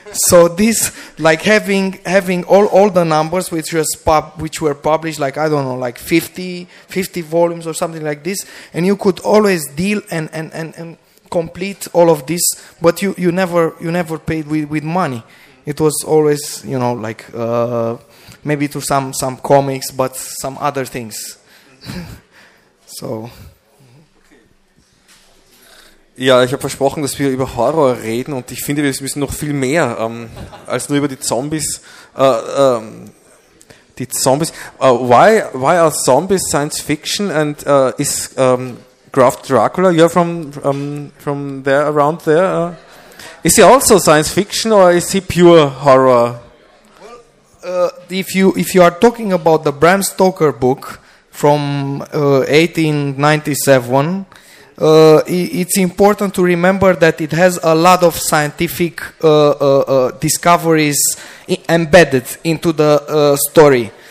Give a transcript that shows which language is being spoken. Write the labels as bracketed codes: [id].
[en] So this, like having all the numbers which were published, like I don't know, like 50 volumes or something like this, and you could always deal and complete all of this, but you never paid with money. It was always, you know, like maybe to some comics, but some other things. So. [de] Ja, ich habe versprochen, dass wir über Horror reden und ich finde, wir müssen noch viel mehr als nur über die Zombies. Die Zombies. [en] Why are Zombies Science Fiction and is Graf Dracula, you're from there, around there? Is he also Science Fiction or is he pure Horror? Well, if you are talking about the Bram Stoker book from 1897, it's important to remember that it has a lot of scientific discoveries embedded into the story.